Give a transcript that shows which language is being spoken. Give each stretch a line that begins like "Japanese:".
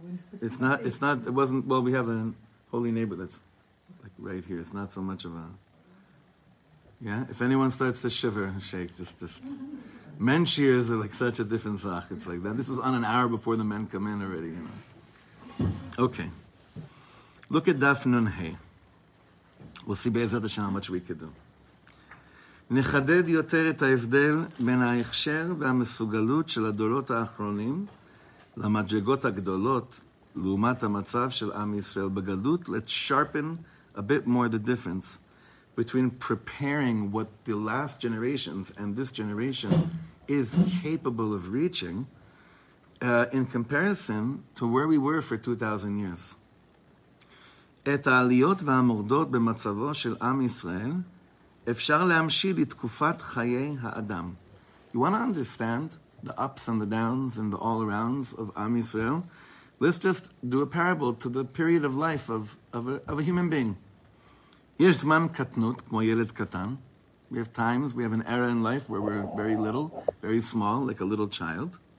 English: We have a holy neighbor that's like right here. It's not so much of a, yeah? If anyone starts to shiver and shake, just. Men shears are like such a different sach. It's like that. This is on an hour before the men come in already, you know. Okay. Look at Daf Nun Hei. We'll see Be'ezat Hashem how much we could do.
Hebrew: נחדד יותר את ההבדל בין ההכשר והמסוגלות של הדורות האחרונים למדרגות הגדולות לעומת המצב של עם ישראל בגלות.
English: Let's sharpen a bit more the difference between preparing what the last generations and this generation is capable of reaching in comparison to where we were for 2,000 years.
Hebrew: את העליות והמורדות במצבו של עם ישראל אפשר להמשיל לתקופת חיי האדם.
English: You want to understand the ups and the downs and the all arounds of Am Yisrael? Let's just do a parable to the period of life of a human being. יש זמן קטנות, כמו ילד קטן. We have times, we have an era in life where we're very little, very small, like a little child.